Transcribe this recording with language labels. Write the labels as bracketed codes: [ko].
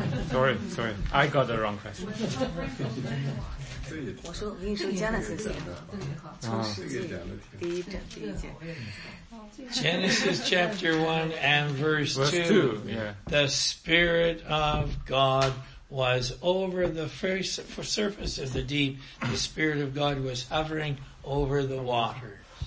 [en] sorry, I got the wrong question. [zh] 我说，我跟你说 Genesis 的，从世纪第一节。 [en] Genesis chapter 1 and verse 2. Yeah. The Spirit of God was over the first surface of the deep. The Spirit of God was hovering over the waters.